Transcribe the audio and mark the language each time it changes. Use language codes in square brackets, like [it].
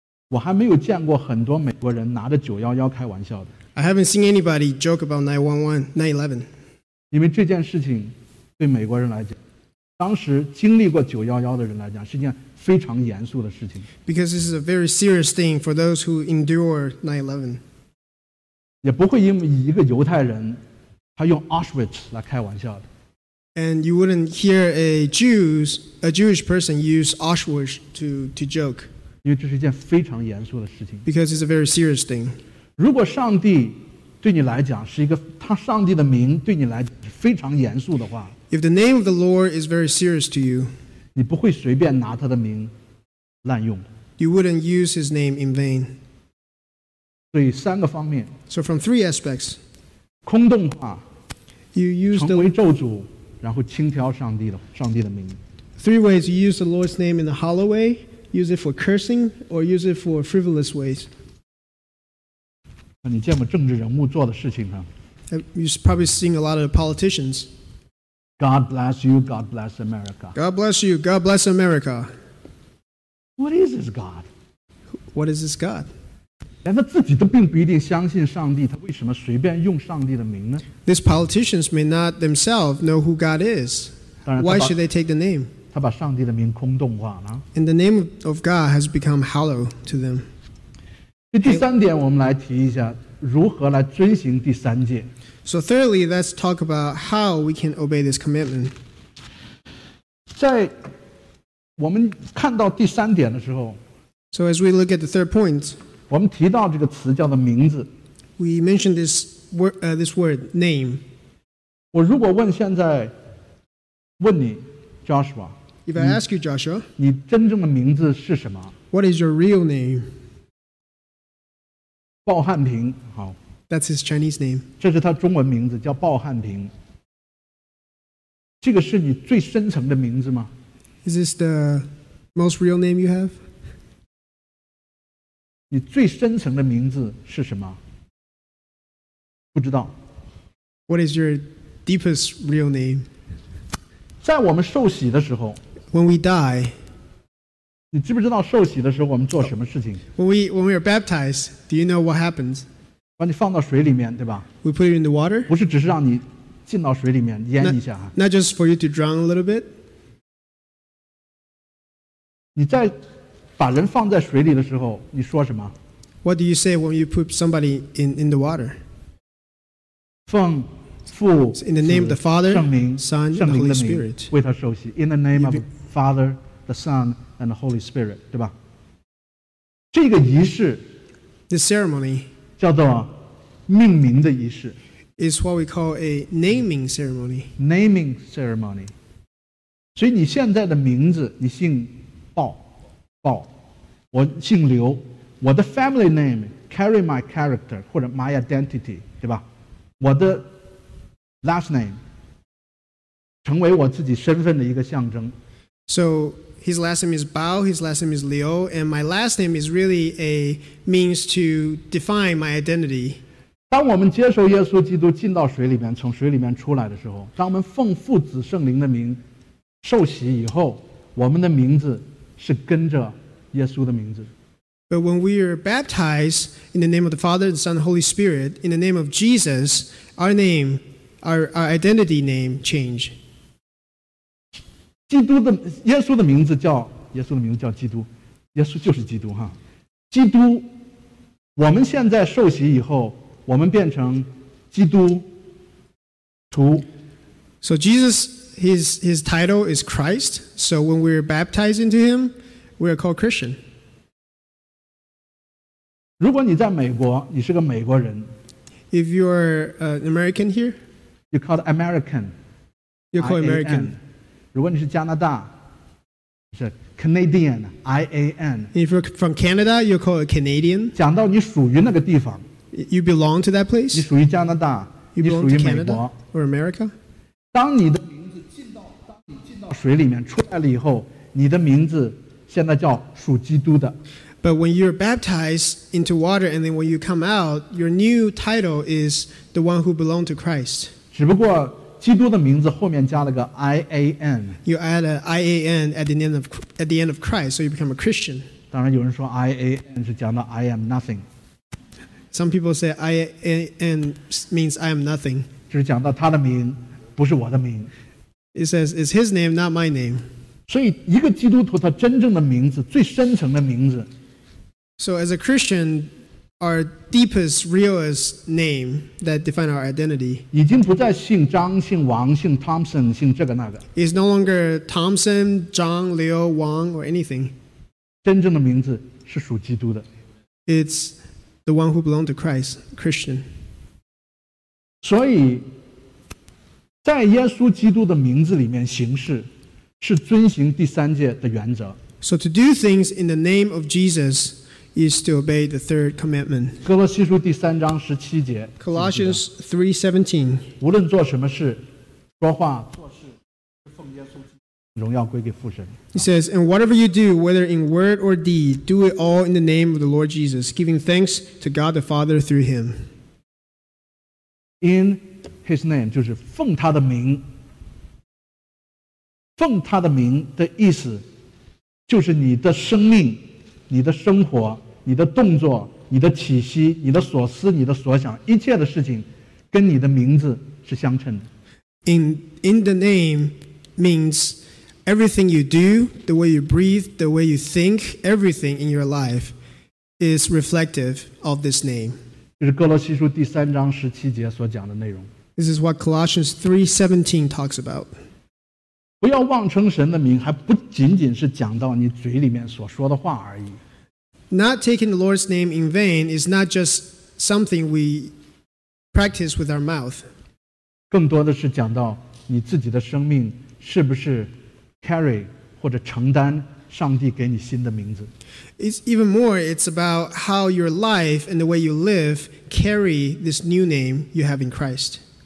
[zh] 我还没有见过很多美国人拿着911开玩笑的。 [en] I haven't seen anybody joke about 911, 911. [zh] 因为这件事情 对美国人来讲，当时经历过911的人来讲，是件非常严肃的事情。 [en] Because this is a very serious thing for those who endure 9/11. [zh] 也不会因为一个犹太人，他用 Auschwitz 来开玩笑的。 [en] And you wouldn't hear a Jewish person use Auschwitz to joke. [zh] 因为这是件非常严肃的事情。 [en] Because it's a very serious thing. [zh] 如果上帝对你来讲是一个，他上帝的名对你来讲是非常严肃的话， [en] if the name of the Lord is very serious to you, [zh] 你不会随便拿他的名滥用。 [en] You wouldn't use his name in vain. [zh] 所以三个方面。 [en] So from three aspects, [zh] 空洞化， [en] you use [zh] 成为咒诅，然后轻佻上帝的名。 [en] Three ways you use the Lord's name in a hollow way: use it for cursing or use it for frivolous ways. [zh] 你见过政治人物做的事情吗？ [en] You've probably seen a lot of politicians. God bless you, God bless America. God bless you, God bless America. What is this God? What is this God? [zh] 连他自己都并不一定相信上帝，他为什么随便用上帝的名呢？ [en] These politicians may not themselves know who God is. Why should they take the name? [zh] 他把上帝的名空洞化了。 [en] And the name of God has become hollow to them. [zh] 第三点我们来提一下。如何来遵行第三诫？ [en] So thirdly, let's talk about how we can obey this commandment. [zh] 在我们看到第三点的时候， [en] So as we look at the third point, [zh] 我们提到这个词叫做名字。 [en] We mentioned this word, name. [zh] 我如果问现在问你 Joshua, [en] If I ask you, Joshua, [zh] 你真正的名字是什么？ [en] What is your real name? [zh] 鲍汉平，好。 [en] That's his Chinese name. [zh] 这是他中文名字，叫鲍汉平。这个是你最深层的名字吗？ [en] Is this the most real name you have? [zh] 你最深层的名字是什么？不知道。 [en] What is your deepest real name? [zh] 在我们受洗的时候。 [en] When we die. [zh] 你知不知道受洗的时候我们做什么事情？ [en] When we are baptized, do you know what happens? [zh] 把你放到水里面，对吧？ [en] We put you in the water. [zh] 不是只是让你进到水里面淹一下。 [en] Not just for you to drown a little bit. [zh] 你在把人放在水里的时候，你说什么？ [en] What do you say when you put somebody in the water? [zh] 奉父、子、 [en] In the name of the Father, [zh] 圣灵、 [en] Son, the Holy Spirit. [zh] 为他受洗。 [en] In the name of the Father, the Son,and the Holy Spirit, [zh] 对吧？这个仪式 [en] ，the ceremony [zh] 叫做命名的仪式 [en] ，is what we call a naming ceremony. Naming ceremony. [zh] 所以你现在的名字，你姓鲍，我姓刘，我的 [en] family name carry my character [zh] 或者 [en] my identity, [zh] 对吧？我的 last name 成为我自己身份的一个象征。 [en] So. His last name is Bao, his last name is Liu, and my last name is really a means to define my identity. [zh] 当我们接受耶稣基督进到水里面，从水里面出来的时候，当我们奉父子圣灵的名受洗以后，我们的名字是跟着耶稣的名字。 [en] But when we are baptized in the name of the Father, the Son, and the Holy Spirit, in the name of Jesus, our name, our identity name change. [zh] 基督的耶稣的名字叫耶稣的名字叫基督，耶稣就是基督哈。基督，我们现在受洗以后，我们变成基督徒。 [en] So Jesus, his title is Christ. So when we are baptized into him, we are called Christian. [zh] 如果你在美国，你是个美国人。 [en] If you are an American here, you're called American. You're called American. [zh] 如果你是加拿大，是 Canadian, I-A-N. [en] If you're from Canada, you're called a Canadian. [zh] 讲到你属于那个地方。 [en] You belong to that place? [zh] 你属于加拿大， [en] you belong [zh] 你属于美国。 [en] Canada or America? [zh] 当你进到水里面出来了以后，你的名字现在叫属基督的。 [en] But when you're baptized into water and then when you come out, your new title is the one who belonged to Christ. [zh] 只不过基督的名字后面加了个 I-A-N. [en] You add an I-A-N at the end of Christ, so you become a Christian. [zh] 当然有人说 I-A-N 是讲到 I am nothing. [en] Some people say I-A-N means I am nothing. [zh] 就是讲到他的名不是我的名。 [en] It says it's his name, not my name. [zh] 所以一个基督徒他真正的名字最深层的名字。 [en] So as a Christian,Our deepest, realest name that define our identity. [zh] 已经不再姓张、姓王、姓 Thompson、姓这个那个。 [en] Is no longer Thompson, John, Leo, Wang, or anything. [zh] 真正的名字是属基督的。 [en] It's the one who belongs to Christ, Christian. [zh] 所以，在耶稣基督的名字里面行事是遵行第三诫的原则。 [en] So to do things in the name of Jesus is to obey the third commandment. [zh] 哥罗西书第三章十七节。 [en] Colossians 3:17. [zh] 无论做什么事，说话做事，奉耶稣基督荣耀归给父神。 [en] He says, and whatever you do, whether in word or deed, do it all in the name of the Lord Jesus, giving thanks to God the Father through Him. In His name, [zh] 就是奉他的名。奉他的名的意思就是你的生命，你的生活，你的动作，你的起息，你的所思，你的所想，一切的事情跟你的名字是相称的。 [en] In the name means everything you do, the way you breathe, the way you think, everything in your life is reflective of this name. [zh] 就是哥罗西书第三章十七节所讲的内容。 [en] This is what Colossians 3:17 talks about. [zh] 不要妄称神的名，还不仅仅是讲到你嘴里面所说的话而已。 [en] Not taking the Lord's name in vain is not just something we practice with our mouth. [zh] 更多的是讲到你自己的生命是不是 carry 或者承担上帝给你新的名字。 [en] It's even more, it's about how your life and the way you live carry this new name you have in Christ.